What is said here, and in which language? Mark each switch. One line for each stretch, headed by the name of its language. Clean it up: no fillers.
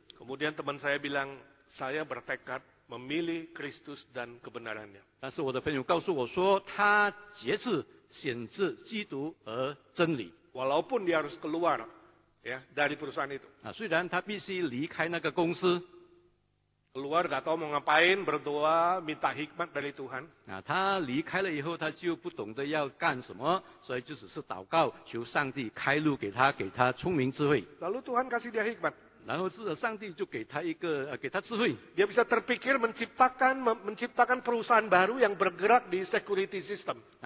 Indonesian: Kemudian teman saya bilang, saya bertekad memilih Kristus dan kebenarannya.
Chinese: 但是我的朋友告诉我说，他决志选择基督而真理。
Indonesian: Walaupun dia harus keluar, ya, dari perusahaan itu.
Chinese: 虽然他必须离开那个公司。
Indonesian: Keluar gak tahu mau ngapain, berdoa, minta hikmat dari Tuhan.
Chinese: 他离开了以后，他就不懂得要干什么，所以就只是祷告，求上帝开路给他，给他聪明智慧。
Indonesian: Lalu Tuhan kasih dia hikmat.
Chinese: 然后是上帝就给他智慧。
Indonesian: Dia bisa terpikir menciptakan perusahaan baru yang bergerak di security system.